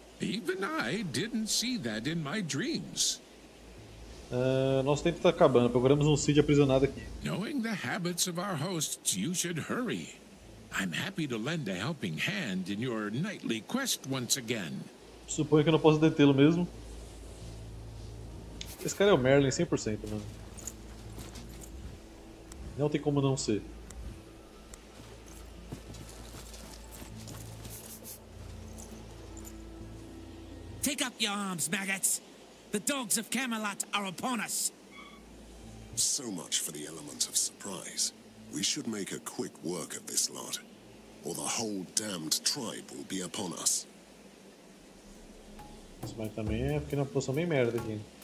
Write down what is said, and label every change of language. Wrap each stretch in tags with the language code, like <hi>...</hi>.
<en>Even I didn't see that in my dreams.</en> <pt>Nosso tempo está acabando. Procuramos um Cid aprisionado aqui.</pt> <en>Knowing the habits of our hosts, you should hurry. I'm happy to lend a helping hand in your nightly quest once again.</en> <pt>Suponho que eu não posso detê-lo mesmo. Esse cara é o Merlin 100%, mano. Não tem como não ser.</pt> <en>Take up your arms, maggots. The dogs of Camelot are upon us. So much for the element of surprise. We should make a quick work of this lot, or the whole damned tribe will be upon us.</en> <pt>Isso vai também é porque na posição bem merda aqui.</pt>